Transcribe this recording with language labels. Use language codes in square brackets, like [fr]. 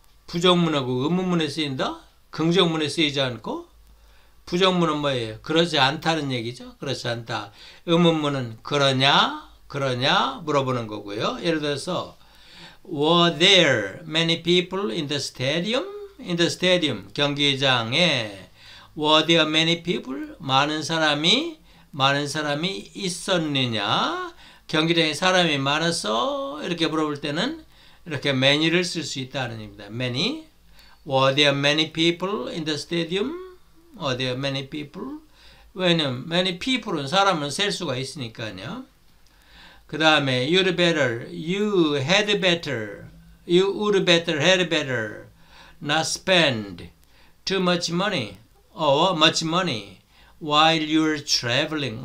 [ko] 부정문하고 의문문에 쓰인다. 긍정문에 쓰이지 않고 부정문은 뭐예요? 그러지 않다는 얘기죠. 그렇지 않다. 의문문은 그러냐? 그러냐 물어보는 거고요. [en] 예를 들어서 were there many people in the stadium? in the stadium [ko] 경기장에 [en] were there many people [ko] 많은 사람이 있었느냐? 경기장에 사람이 많았어? 이렇게 물어볼 때는 이렇게 many를 쓸 수 있다는 겁니다. [en] many were there many people in the stadium? were there many people? [ko] 왜냐면 [en] many people은 [ko] 사람을 셀 수가 있으니까요. 그 다음에 [en] you'd better, you had better, You would better, had better not spend too much money or much money while you're traveling.